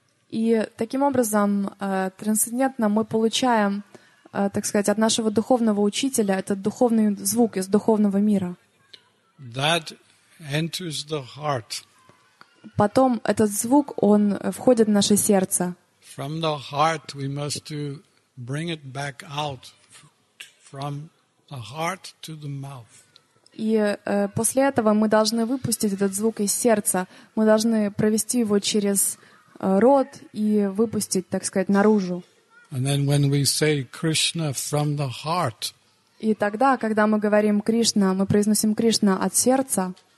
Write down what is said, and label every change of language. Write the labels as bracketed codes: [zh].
[ru] И таким образом трансцендентно мы получаем, так сказать, от нашего духовного учителя этот духовный звук из духовного мира. [en] That enters the heart. [ru] Потом этот звук он входит в наше сердце. [en] From the heart we must to bring it back out from the heart to the mouth. [ru] И после этого мы должны выпустить этот звук из сердца. Мы должны провести его через рот и выпустить, так сказать, наружу. [en] And then when we say Krishna from the heart, [ru] и тогда, когда мы говорим Кришна, мы произносим Кришна от сердца,